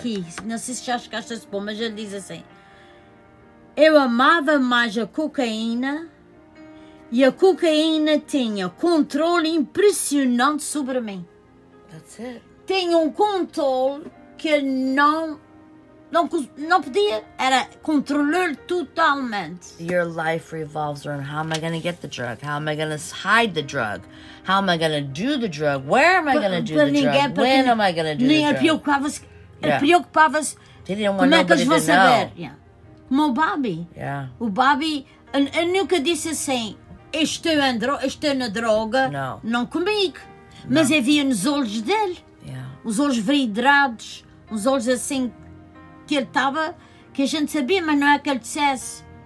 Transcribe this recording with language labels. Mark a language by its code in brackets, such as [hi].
[pt] Diz aqui, não sei se já chegaste a supor, mas ele diz assim, eu amava mais a cocaína e a cocaína tinha controle impressionante sobre mim. [en] That's it. [pt] Tinha controle que não podia, era controlar totalmente. [en] Your life revolves around how am I going to get the drug? How am I going to hide the drug? How am I going to do the drug? Where am I going to do the drug? When am I going to do the drug? [pt] Ele preocupava-se. [en] He didn't want nobody to know. [pt] Como o Bobby. [en] Yeah. [pt] O Bobby, ele nunca disse assim, estou na droga. [en] No. [pt] Não comigo. No. Mas havia nos olhos dele. [en] Yeah. [pt] Os olhos vidrados. Os olhos assim, que ele estava, que a gente sabia, mas não é que ele dissesse.